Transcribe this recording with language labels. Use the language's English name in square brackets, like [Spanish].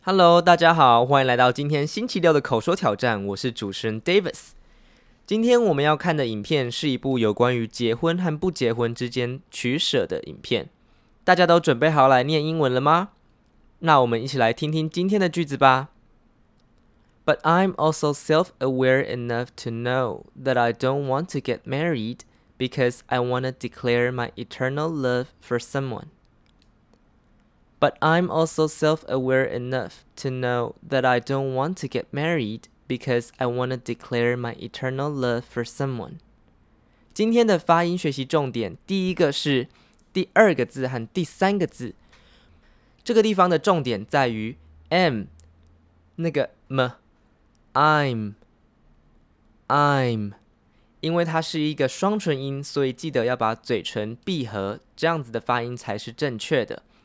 [Chinese] Hello， 大家好，欢迎来到今天星期六的口说挑战，我是主持人 Davis。今天我们要看的影片是一部有关于结婚和不结婚之间取舍的影片。大家都准备好来念英文了吗？那我们一起来听听今天的句子吧。 [English] But I'm also self-aware enough to know that I don't want to get married because I want to declare my eternal love for someone. But I'm also self-aware enough to know that I don't want to get married because I want to declare my eternal love for someone. [Chinese] 今天的发音学习重点，第一个是第二个字和第三个字。这个地方的重点在于 M, 那个 M, I'm, 因为它是一个双唇音，所以记得要把嘴唇闭合，这样子的发音才是正确的。